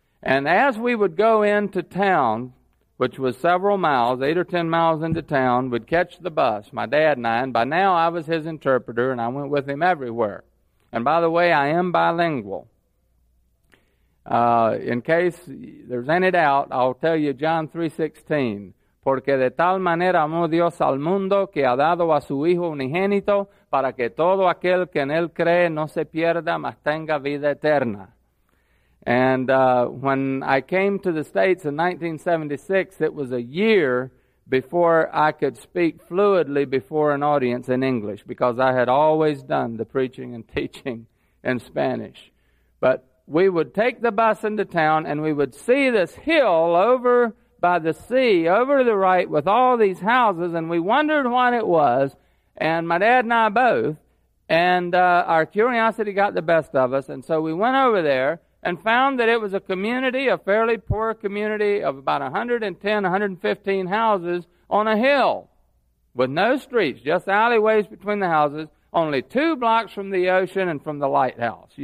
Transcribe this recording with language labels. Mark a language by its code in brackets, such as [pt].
[en] And as we would go into town, which was several miles, 8 or 10 miles into town, we'd catch the bus, my dad and I, and by now I was his interpreter, and I went with him everywhere. And by the way, I am bilingual. In case there's any doubt, I'll tell you John 3:16. [es] Porque de tal manera amó Dios al mundo que ha dado a su Hijo unigénito para que todo aquel que en él cree no se pierda, mas tenga vida eterna. [en] And when I came to the States in 1976, it was a year before I could speak fluidly before an audience in English, because I had always done the preaching and teaching in Spanish. But we would take the bus into town, and we would see this hill over by the sea, over to the right, with all these houses, and we wondered what it was, and my dad and I both, and our curiosity got the best of us, and so we went over there and found that it was a community, a fairly poor community of about 110, 115 houses on a hill with no streets, just alleyways between the houses, only 2 blocks from the ocean and from the lighthouse.